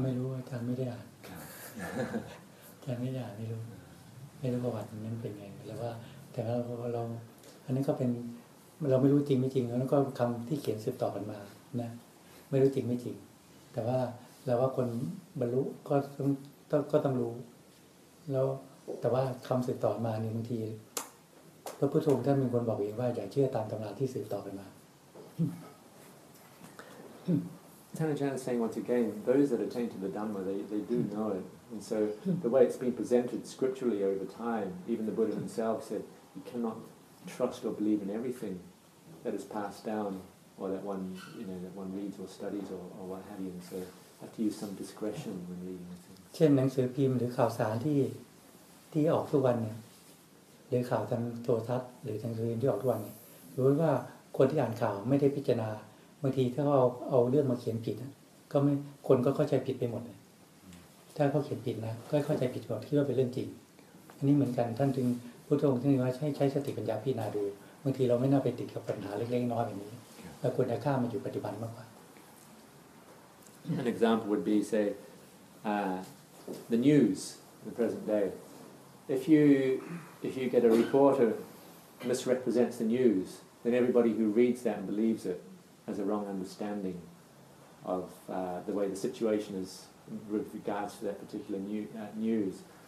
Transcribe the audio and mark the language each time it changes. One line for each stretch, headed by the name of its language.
Thai: ผมไม่รู้อาจารย์ไม่ได้อ่านอาจารย์ไม่ได้อ่านไม่รู้ไม่รู้ประวัติมันเป็นไงแต่ว่าแต่เราอันนั้นก็เป็นเราไม่รู้จริงไม่จริงแล้วก็คำที่เขียนสืบต่อกันมานะไม่รู้จริงไม่จริงแต่ว่าเราว่าคนบรรลุก็ต้องรู้แล้วแต่ว่าคำสืบต่อมาบางทีพระพุทธองค์ท่านมีคนบอกเองว่าอย่าเชื่อตามตำราที่สืบต่อกันมา
English: Tanajan is saying once again, those that attain to the Dhamma, they do know it. And so the way it's been presented scripturally over time, even the Buddha himself said, you cannot trust or believe in everything that is passed down, or that one, you know, that one reads or studies or what have you. And so have to use some discretion when reading.
Thai: เช่นหนังสือพิมพ์หรือข่าวสารที่ออกทุกวันเนี่ยหรือข่าวทางโทรทัศน์หรือทางสื่อที่ออกทุกวันเนี่ยรู้ว่าคนที่อ่านข่าวไม่ได้พิจารณาบางทีถ้าเอาเรื่องมาเขียนผิดก็ไม่คนก็เข้าใจผิดไปหมดเลยถ้าเขาเขียนผิดนะก็เข้าใจผิดหมดคิดว่าเป็นเรื่องจริงอันนี้เหมือนกันท่านจึงพุทธองค์ท่านว่าใช้สติปัญญาพิจารณาดูบางทีเราไม่น่าไปติดกับปัญหาเล็กๆน้อยแบบนี้เราควรจะข้ามมาอยู่ปัจจุบันมากกว่า
English: An example would be say the news in the present day if you get a reporter misrepresents the news then everybody who reads that and believes itas a wrong understanding of the way the situation is with regards to that particular news.